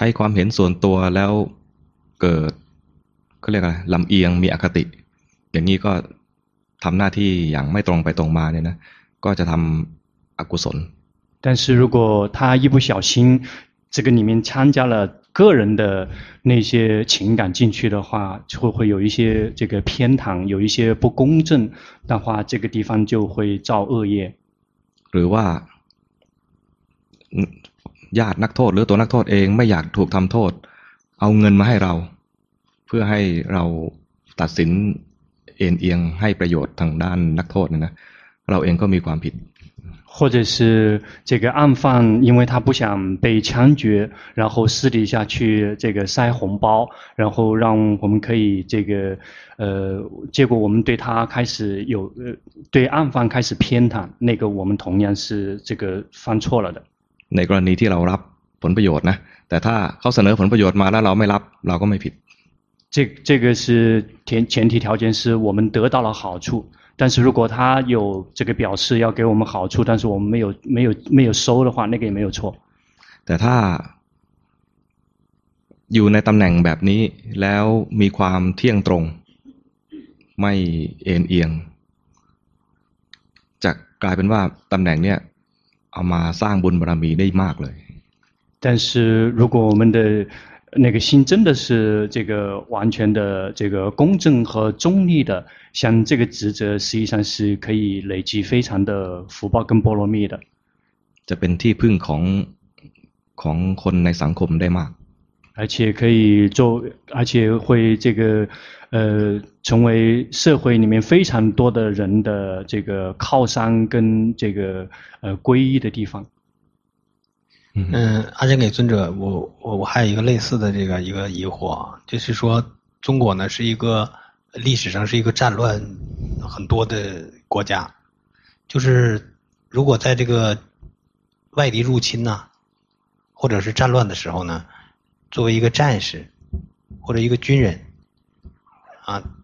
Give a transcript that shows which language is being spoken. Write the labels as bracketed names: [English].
[Thai] ช้ความเห็นส่วนตัวแล้วเกิดเขาเรียกอะไรลำเอียงมีอคติอย่างนี้ก็ทำหน้าที่อย่างไม่ตรงไปตรงมาเนี่ยนะก็จะทำอกุศล [Chinese] 但是如果他一不小心这个里面参加了个人的那些情感进去的话就会有一些这个偏袒有一些不公正的话这个地方就会造恶业 [Thai] หรือว่าญาตินักโทษหรือตัวนักโทษเองไม่อยากถูกทำโทษเอาเงินมาให้เราเพื่อให้เราตัดสินเอ็นเอียงให้ประโยชน์ทางด้านนักโทษเนี่ยนะเราเองก็มีความผิด [Chinese] 或者是这个案犯因为他不想被枪决然后私底下去这个塞红包然后让我们可以这个结果我们对他开始有对案犯开始偏袒那个我们同样是这个犯错了的 [Thai] ในกรณีที่เรารับผลประโยชน์นะแต่ถ้าเขาเสนอผลประโยชน์มาแล้วเราไม่รับเราก็ไม่ผิด [Chinese] 这个是前提条件是我们得到了好处但是如果他有这个表示要给我们好处但是我们没有收的话那个也没有错 [Thai] แต่ถ้าอยู่ในตำแหน่งแบบนี้แล้วมีความเที่ยงตรงไม่เอ็นเอียงจะกลายเป็นว่าตำแหน่งเนี้ยเอามาสร้างบุญบารมีได้มากเลย [Chinese] 但是如果我们的那个心真的是这个完全的这个公正和中立的像这个职责实际上是可以累积非常的福报跟波罗蜜的 [Thai] จะเป็นที่พึ่งของคนในสังคมได้มาก [Chinese] 而且可以做而且会这个成为社会里面非常多的人的这个靠山跟这个皈依的地方阿姜给尊者我还有一个类似的这个一个疑惑就是说中国呢是一个历史上是一个战乱很多的国家就是如果在这个外敌入侵呢或者是战乱的时候呢作为一个战士或者一个军人啊，